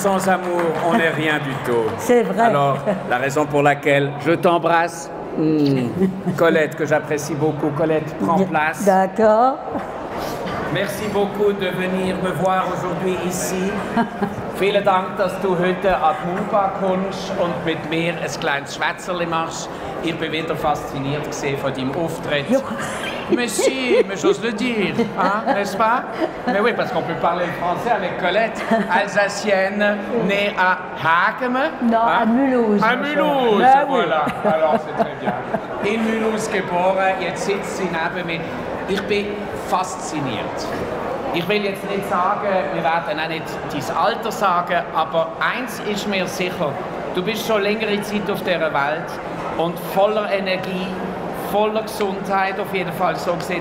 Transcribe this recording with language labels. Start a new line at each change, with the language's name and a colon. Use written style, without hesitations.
French: Sans amour, on n'est rien du tout. C'est vrai. Alors, la raison pour laquelle je t'embrasse, Colette, que j'apprécie beaucoup. Colette, prends place. D'accord. Merci beaucoup de venir me voir aujourd'hui ici.
German: Vielen Dank, dass du heute ab Muba kommst und mit mir ein kleines Schwätzerli machst. Ich bin wieder fasziniert gesehen von deinem Auftritt. Jo.
French: Mais si, mais j'ose le dire, hein, n'est-ce pas? Mais oui, parce qu'on peut parler le français avec Colette, alsacienne, née à Hagem. Non, hein? À Mulhouse. À Mulhouse, voilà. Oui. Alors, c'est très bien.
German: In Mulhouse geboren, jetzt sitzt sie neben mir. Ich bin fasziniert. Ich will jetzt nicht sagen, wir werden auch nicht dein Alter sagen, aber eins ist mir sicher, du bist schon längere Zeit auf dieser Welt und voller Energie, voller Gesundheit, auf jeden Fall so gesehen.